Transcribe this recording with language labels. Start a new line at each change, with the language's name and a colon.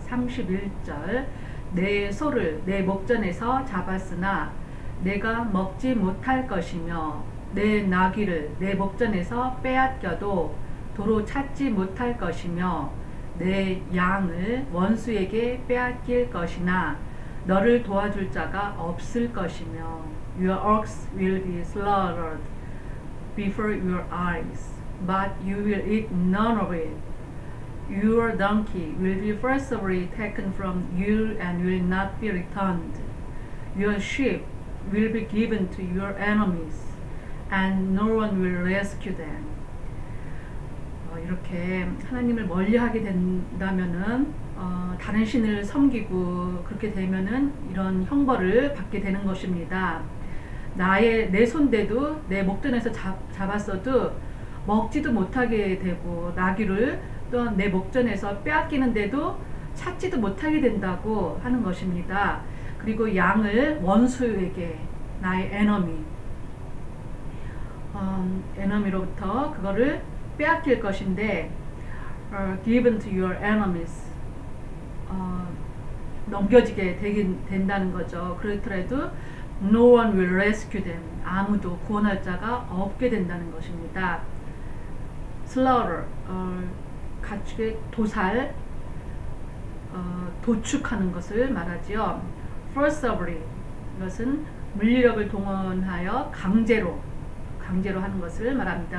Korean: 31절 내 소를 내 목전에서 잡았으나 내가 먹지 못할 것이며 내 나귀를 내 목전에서 빼앗겨도 도로 찾지 못할 것이며 내 양을 원수에게 빼앗길 것이나 너를 도와줄 자가 없을 것이며
English: Your ox will be slaughtered before your eyes, but you will eat none of it. Your donkey will be forcibly taken from you and will not be returned. Your sheep will be given to your enemies, and no one will rescue them.
Korean: 이렇게 하나님을 멀리하게 된다면은 다른 신을 섬기고 그렇게 되면은 이런 형벌을 받게 되는 것입니다. 나의 내 손대도 내 목전에서 잡았어도 먹지도 못하게 되고 나귀를 또한 내 목전에서 빼앗기는데도 찾지도 못하게 된다고 하는 것입니다. 그리고 양을 원수에게 나의 에너미 에너미로부터 그거를 빼앗길 것인데
English: given to your enemies
Korean: 넘겨지게 된다는 거죠. 그렇더라도
English: no one will rescue them.
Korean: 아무도 구원할 자가 없게 된다는 것입니다. slaughter 가축의 도살 도축하는 것을 말하지요. forcibly 이것은 물리력을 동원하여 강제로 하는 것을 말합니다.